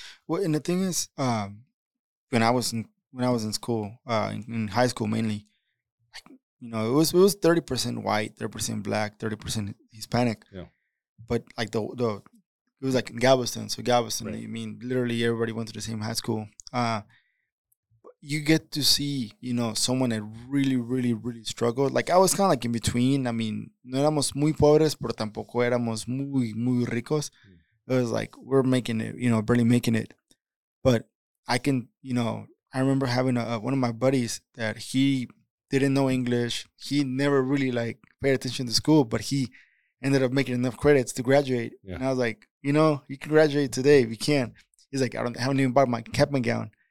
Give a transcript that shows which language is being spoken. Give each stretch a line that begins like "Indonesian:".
English: Well, and the thing is, when I was in high school mainly, you know, it was 30% white, 30% black, 30% Hispanic. Yeah. But like it was like in Galveston. So Galveston, right. I mean, literally everybody went to the same high school. You get to see, you know, someone that really, really, really struggled. Like, I was kind of like in between.
Spanish: I mean, no éramos muy pobres, pero tampoco éramos muy, muy ricos.
English: It was like, we're making it, you know, barely making it. But I can, you know, I remember having one of my buddies that he didn't know English. He never really, like, paid attention to school, but he ended up making enough credits to graduate. Yeah. And I was like, you know, you can graduate today if you can. He's like, I haven't even bought my cap and gown.